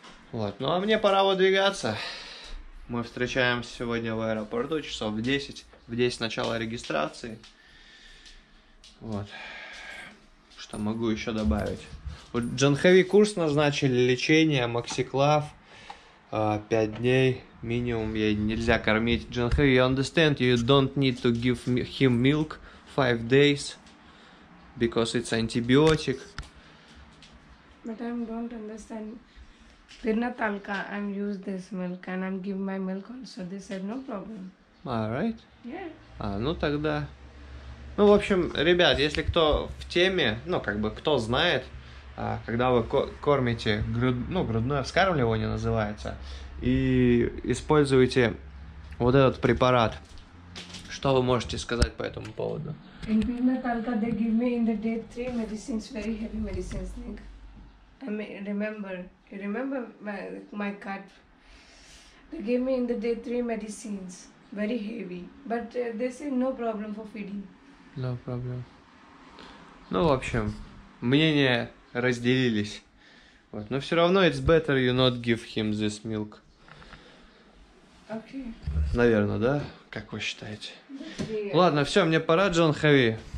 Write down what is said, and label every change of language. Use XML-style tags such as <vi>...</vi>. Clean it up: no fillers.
<ru>Вот, ну а мне пора выдвигаться. Мы встречаемся сегодня в аэропорту часов в 10. В 10 начала регистрации. Вот. Что могу еще добавить? У Джанхэви курс назначили, лечение, максиклав. 5 дней минимум, ей нельзя кормить.</ru> <en>Джанхэви, you understand, you don't need to give him milk 5 days, because it's antibiotic. But I don't understand. Pirnatalka, I'm use this milk and I'm give my milk also. They said no problem. All right. Yeah.</en> <ru>А, ну тогда. Ну, в общем, ребят, если кто в теме, ну, как бы, кто знает, когда вы кормите грудное вскармливание называется, и используете вот этот препарат, что вы можете сказать по этому поводу?</ru> <en>In Pirnatalka, they give me in the day 3 medicines, very heavy medicines, link. I mean, remember my cut? They gave me in the day 3 medicines, very heavy. But they say no problem for feeding. No problem.</en> <ru>Ну, в общем, мнения разделились. Вот. Но все равно</ru> <en>it's better you not give him this milk. Okay.</en> <ru>Наверное, да? Как вы считаете? Yeah. Ладно, все, мне пора, Джанхэви.</ru>